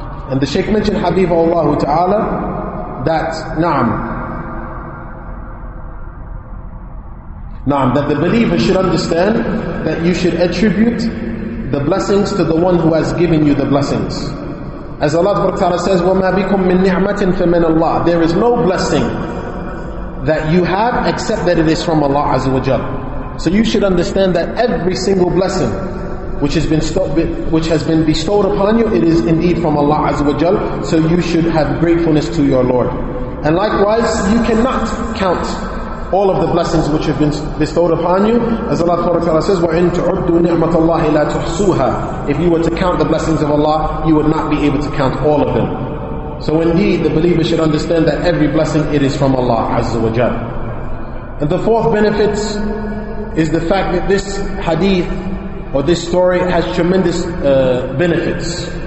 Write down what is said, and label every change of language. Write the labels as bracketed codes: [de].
[en] And the Shaykh mentioned Hadith of Allah Ta'ala that Na'am, that the believer should understand that you should attribute the blessings to the one who has given you the blessings. As Allah Ta'ala says, [ar] وَمَا بِكُم مِّن نِعْمَةٍ فَمِنَ اللَّهِ. [en] There is no blessing that you have except that it is from Allah Azza wa Jal. So you should understand that every single blessing which has been bestowed upon you, it is indeed from Allah Azza wa Jal. So you should have gratefulness to your Lord. And likewise, you cannot count all of the blessings which have been bestowed upon you. As Allah Ta'ala says, [ar] وَإِن تُعُدُّ نِعْمَةَ اللَّهِ لَا تُحْصُوهَا. [en] If you were to count the blessings of Allah, you would not be able to count all of them. So indeed, the believer should understand that every blessing, it is from Allah Azza wa Jal. And the fourth benefit is the fact that this hadith or this story has tremendous benefits.